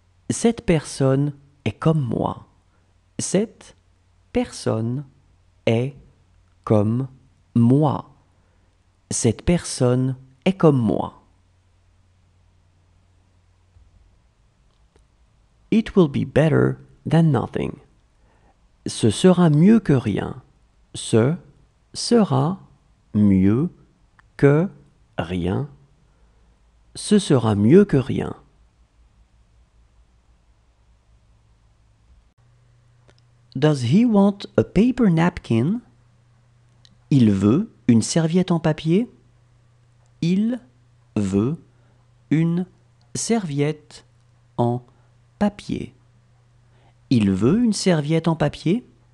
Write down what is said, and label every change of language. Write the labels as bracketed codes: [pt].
[fr] Cette personne est comme moi. Cette personne est comme moi. Cette personne est comme moi. [en] It will be better than nothing. [fr] Ce sera mieux que rien. Ce sera mieux que rien. Ce sera mieux que rien. [en] Does he want a paper napkin? [fr] Il veut une serviette en papier? Il veut une serviette en papier. Il veut une serviette en papier?